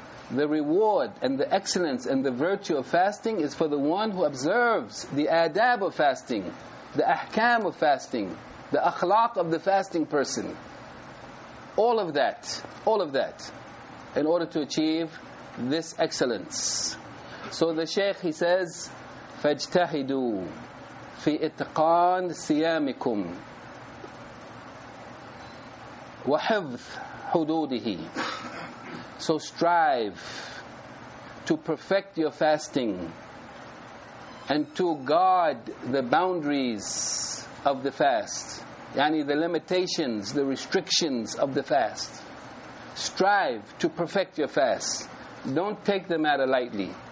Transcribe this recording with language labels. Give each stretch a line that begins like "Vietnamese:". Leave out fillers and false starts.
English: The reward and the excellence and the virtue of fasting is for the one who observes the adab of fasting, the ahkam of fasting, the akhlaq of the fasting person. All of that, in order to achieve this excellence. So the Shaykh, he says,
Arabic: فَاجْتَهِدُوا فِي اتقان سِيَامِكُمْ وَحِفْظْ حُدُودِهِ.
English: So strive to perfect your fasting and to guard the boundaries of the fast, yani the limitations, the restrictions of the fast. Strive to perfect your fast. Don't take the matter lightly.